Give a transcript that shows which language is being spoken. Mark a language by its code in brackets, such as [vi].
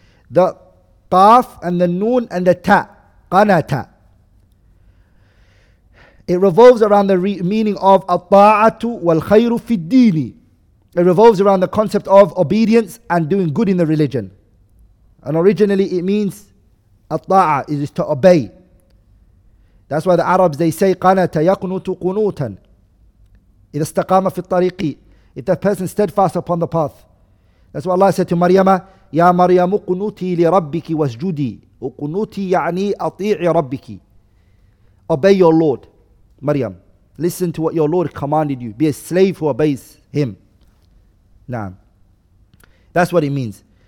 [en] The taf and the noon and the ta, qanata, it revolves around the meaning of [ar] الطاعة والخير في الدين. [en] It revolves around the concept of obedience and doing good in the religion. And originally it means الطاعة, it is to obey. That's why the Arabs, they say [ar] قنت يقنت قنوتا إذا استقام في الطريق. [en] If the person steadfast upon the path. That's what Allah said to [ar] مريم, يا مريم قنوتي لربك واسجدي وقنوتي يعني أطيع ربك. [en] Obey your Lord. Maryam, listen to what your Lord commanded you. Be a slave who obeys him. Naam. That's what it means.